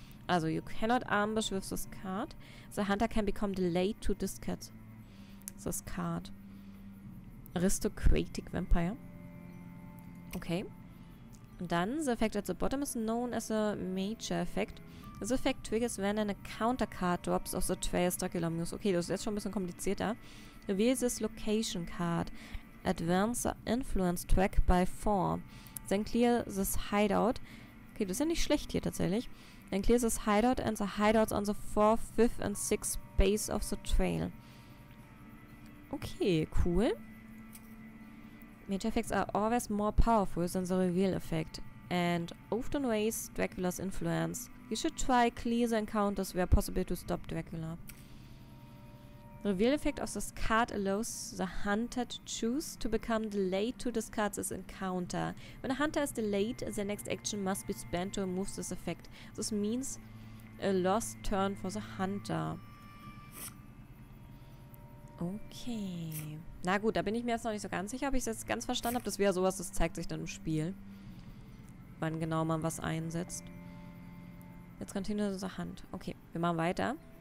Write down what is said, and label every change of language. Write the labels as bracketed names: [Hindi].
[English] Also, you cannot ambush with this card. The hunter can become delayed to discard this card. Aristocratic Vampire. Okay. [German] Und dann, [English] the effect at the bottom is known as a major effect. This effect triggers when an encounter card drops off the trail as Dracula moves. [German] Okay, das ist jetzt schon ein bisschen komplizierter. [English] Reveal this location card. Advance the influence track by 4. Then clear this hideout. [German] Okay, das ist ja nicht schlecht hier tatsächlich. [English] Then clear this hideout and the hideouts on the 4th, 5th and 6th base of the trail. Okay, cool. Major effects are always more powerful than the reveal effect and often raise Dracula's influence. You should try clear the encounters where possible to stop Dracula. The reveal effect of this card allows the hunter to choose to become delayed to discard this encounter. When a hunter is delayed, the next action must be spent to remove this effect. This means a lost turn for the hunter. Okay. [German] Na gut, da bin ich mir jetzt noch nicht so ganz sicher, ob ich es jetzt ganz verstanden habe. Das wäre sowas, das zeigt sich dann im Spiel. Wann genau man was einsetzt. Jetzt [English] continue the hunt. [German] Okay, wir machen weiter.